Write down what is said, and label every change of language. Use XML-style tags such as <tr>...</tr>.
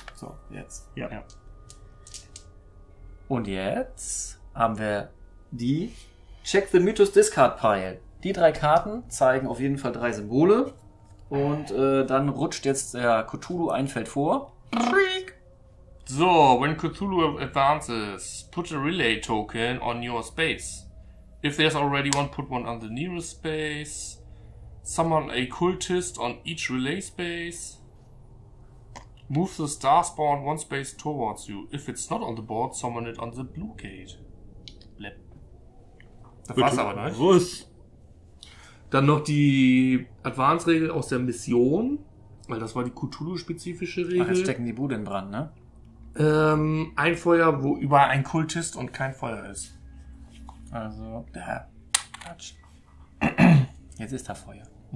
<de>So, jetzt. Ja. Ja. Und jetzt haben wir die Check the Mythos Discard Pile. Die 3 Karten zeigen auf jeden Fall 3 Symbole. Und dann rutscht jetzt der Cthulhu ein Feld vor.</de> <en>So, when Cthulhu advances, put a relay token on your space. If there's already one, put one on the nearest space. Summon a cultist on each relay space. Move the star spawn 1 space towards you. If it's not on the board, summon it on the blue gate.</en> <de>Bleb. Das war's aber nicht. Was? Dann noch die Advance-Regel aus der Mission. Weil das war die Cthulhu-spezifische Regel. Ach, jetzt stecken die Bude in Brand, ne? Ein Feuer, wo überall ein Kultist und kein Feuer ist. Also, da. Quatsch. Jetzt ist da Feuer.</de>